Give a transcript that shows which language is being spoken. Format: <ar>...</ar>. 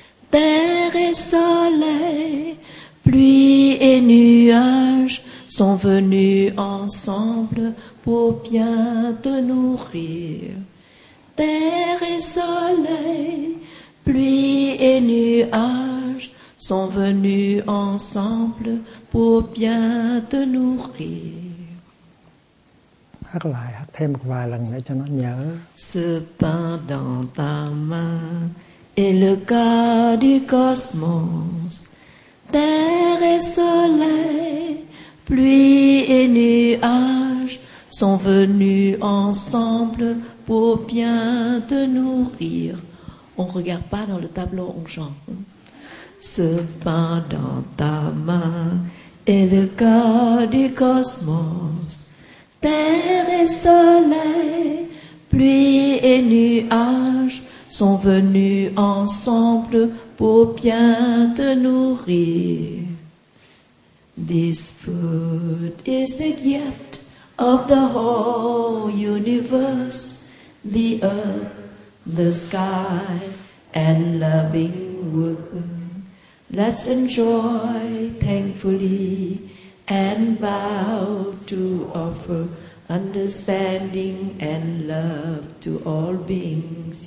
<fr>Terre et soleil, pluie et nuages sont venus ensemble pour bien te nourrir. Terre et soleil, pluie et nuages sont venus ensemble pour bien te nourrir.</fr> <vi>Hát lại, hát thêm một vài lần nữa cho nó nhớ.</vi> <fr>Ce pain dans ta main est le cœur du cosmos. Terre et soleil, pluie et nuages sont venus ensemble pour bien te nourrir. On ne regarde pas dans le tableau, on chante. Ce pain dans ta main est le cœur du cosmos. Terre et soleil, pluie et nuages sont venus ensemble pour bien te nourrir.</fr> <en>This food is the gift of the whole universe, the earth, the sky, and loving woman. Let's enjoy thankfully and vow to offer understanding and love to all beings.</en>